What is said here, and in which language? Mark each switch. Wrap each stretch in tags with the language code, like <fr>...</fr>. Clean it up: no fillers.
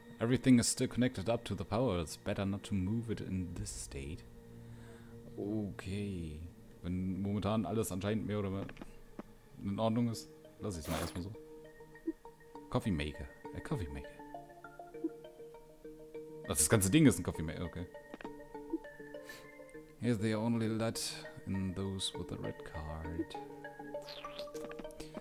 <en>Everything is still connected up to the power. It's better not to move it in this state. Okay.</en> <de>Wenn momentan alles anscheinend mehr oder mehr in Ordnung ist, lass ich es mal erstmal so. Coffee Maker. A Coffee Maker. Also das ganze Ding ist ein Coffee Maker, okay.</de> <en>Here's the only light in those with the red card.</en>